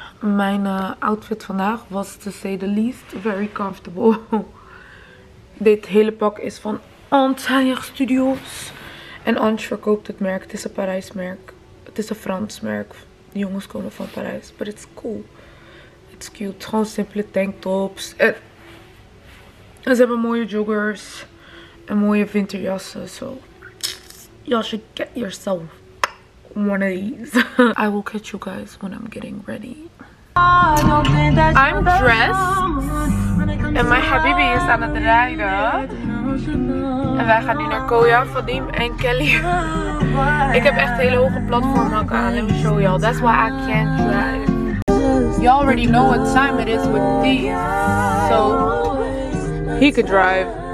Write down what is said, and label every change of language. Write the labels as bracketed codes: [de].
[nl] Mijn outfit vandaag was [en] to say the least very comfortable. [nl] Dit hele pak is van Antaïr Studios. En Antje verkoopt het merk. Het is een Parijs merk. Het is een Frans merk. De jongens komen van Parijs. [en] But it's cool. It's cute. [nl] Gewoon simpele tanktops. En ze hebben mooie joggers. En mooie winterjassen. [en] So, y'all should get yourself one of these. I will catch you guys when I'm getting ready. I'm dressed. [nl] En mijn habibi is aan het rijden. En wij gaan nu naar Koya, Vadim en Kelly. Ik heb echt hele hoge platformhakken aan. [en] Let me show y'all. That's why I can't drive. You already know what time it is with these. So, he could drive.